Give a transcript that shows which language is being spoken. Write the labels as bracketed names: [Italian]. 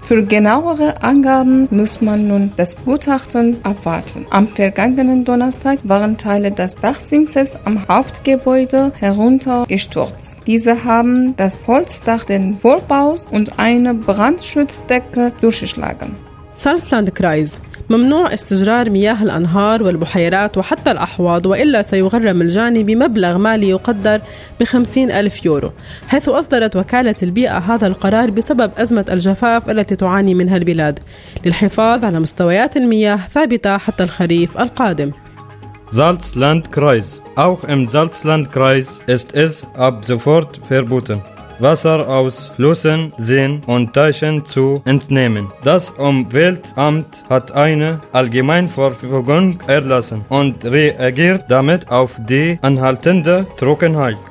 [German] Für genauere Angaben muss man nun das Gutachten abwarten. Am vergangenen Donnerstag waren Teile des Dachsimses am Hauptgebäude heruntergestürzt. Diese haben das Holzdach des Vorbaus und eine Brandschutzdecke durchgeschlagen. Salzlandkreis. [Arabic] ممنوع استجرار مياه الأنهار والبحيرات وحتى الأحواض وإلا سيغرم الجاني بمبلغ مالي يقدر ب50,000 يورو حيث أصدرت وكالة البيئة هذا القرار بسبب أزمة الجفاف التي تعاني منها البلاد للحفاظ على مستويات المياه ثابتة حتى الخريف القادم. [German] Salzlandkreis. Auch im Salzlandkreis ist es ab sofort verboten, Wasser aus Flüssen, Seen und Teichen zu entnehmen. Das Umweltamt hat eine Allgemeinverfügung erlassen und reagiert damit auf die anhaltende Trockenheit.